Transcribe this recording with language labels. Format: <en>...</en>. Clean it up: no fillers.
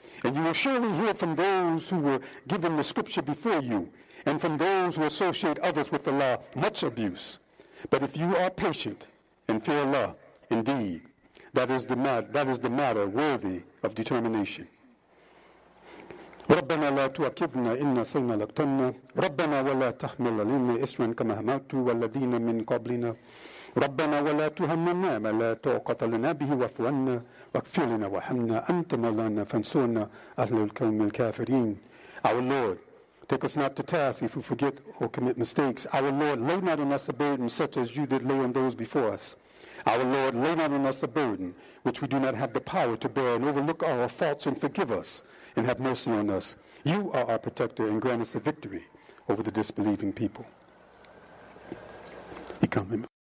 <en>And you will surely hear from those who were given the scripture before you and from those who associate others with Allah much abuse. But if you are patient and fear Allah, indeed, that is the matter worthy of determination.</en> <ar>ربنا لا تؤاخذنا إن نسينا أو أخطأنا ربنا ولا تحمل علينا إثما كما حملت والذين من قبلنا ربنا ولا تهمنا ما لا طاقة لنا به واعف عنا واغفر لنا وارحمنا أنت مولانا فانصرنا أهل الكلم الكافرين.</ar> <en>Our Lord, take us not to task if we forget or commit mistakes. Our Lord, lay not on us a burden such as you did lay on those before us. Our Lord, lay not on us a burden which we do not have the power to bear, and overlook our faults and forgive us. And have mercy on us. You are our protector and grant us a victory over the disbelieving people. Become him.</en>